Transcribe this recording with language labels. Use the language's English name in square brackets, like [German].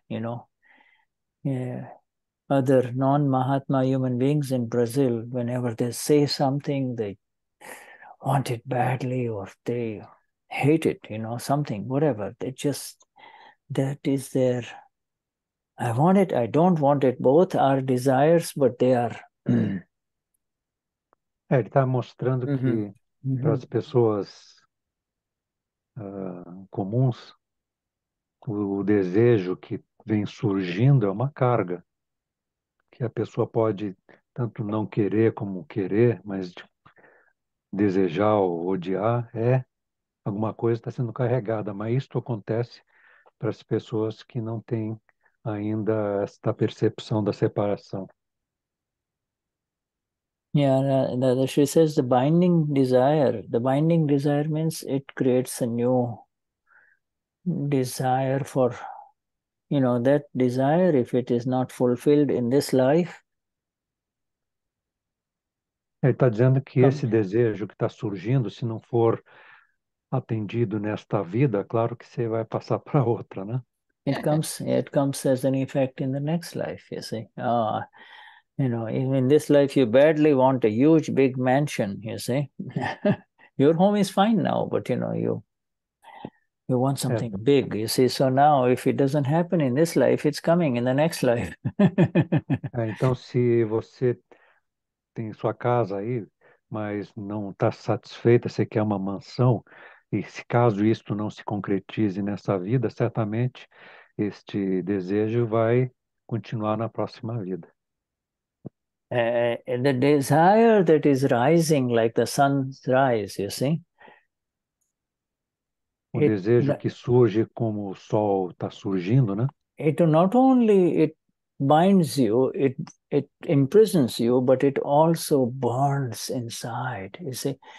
[English] You know, yeah. Other non-Mahatma human beings in Brazil, whenever they say something, they want it badly or they hate it, you know, something, whatever. They just, that is their, I want it, I don't want it. Both are desires, but they are. [Portuguese] É, ele está mostrando que para as pessoas comuns, o desejo que vem surgindo é uma carga, que a pessoa pode tanto não querer como querer, mas desejar ou odiar é alguma coisa que está sendo carregada. Mas isto acontece para as pessoas que não têm ainda esta percepção da separação. [English] Yeah, she says the binding desire means it creates a new desire for, you know, that desire, if it is not fulfilled in this life. [Portuguese] Ele está dizendo que [English] Come. [Portuguese] esse desejo que está surgindo, se não for atendido nesta vida, claro que você vai passar para outra, né? [English] It comes as an effect in the next life, you see. Oh, you know, in this life you badly want a huge big mansion, you see. Your home is fine now, but you know, you want [Portuguese] É. [English] something big, you see. So now, if it doesn't happen in this life, it's coming in the next life. [Portuguese] É, então, se você tem sua casa aí, mas não está satisfeita, você quer uma mansão, e se caso isto não se concretize nessa vida, certamente este desejo vai continuar na próxima vida. [English] The desire that is rising like the sun's rise, you see? [Portuguese] O desejo que surge como o sol está surgindo, né? [English] It not only it binds you, it imprisons you, but it also burns inside, you see?